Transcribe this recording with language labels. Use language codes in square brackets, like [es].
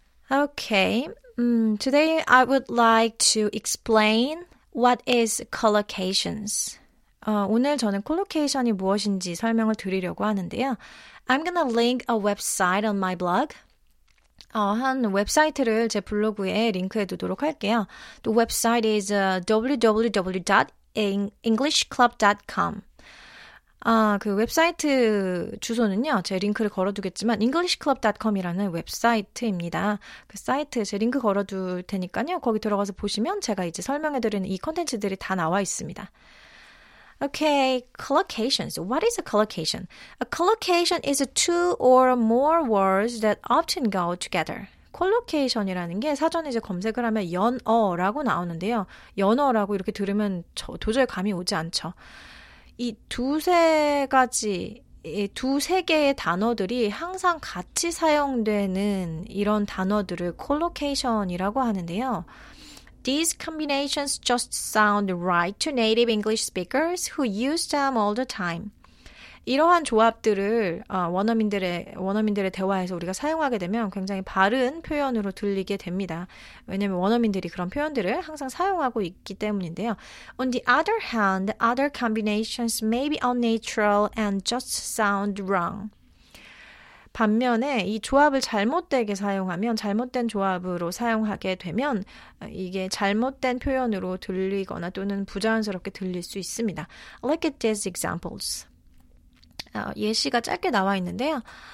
[en] Okay, today I would like to explain what is collocations. [ko] 오늘 저는 콜로케이션이 무엇인지 설명을 드리려고 하는데요. [en] I'm gonna link a website on my blog. [ko] 한 웹사이트를 제 블로그에 링크해 두도록 할게요. [en] The website is www.englishclub.com. [ko] 그 웹사이트 주소는요, 제 링크를 걸어두겠지만 englishclub.com이라는 웹사이트입니다. 그 사이트 제 링크 걸어둘 테니까요, 거기 들어가서 보시면 제가 이제 설명해드리는 이 콘텐츠들이 다 나와 있습니다. [en] Okay, collocations. What is a collocation? A collocation is two or more words that often go together. [ko] Collocation이라는 게 사전에 이제 검색을 하면 연어라고 나오는데요, 연어라고 이렇게 들으면 도저히 감이 오지 않죠. 이 두세 가지, 두세 개의 단어들이 항상 같이 사용되는 이런 단어들을 collocation이라고 하는데요. [en] These combinations just sound right to native English speakers who use them all the time. [ko] 이러한 조합들을 원어민들의 대화에서 우리가 사용하게 되면 굉장히 바른 표현으로 들리게 됩니다. 왜냐면 원어민들이 그런 표현들을 항상 사용하고 있기 때문인데요. [en] On the other hand, other combinations may be unnatural and just sound wrong. [ko] 반면에 이 조합을 잘못되게 사용하면, 잘못된 조합으로 사용하게 되면 이게 잘못된 표현으로 들리거나 또는 부자연스럽게 들릴 수 있습니다. [en] Look at these examples. [ko] 예시가 짧게 나와 있는데요.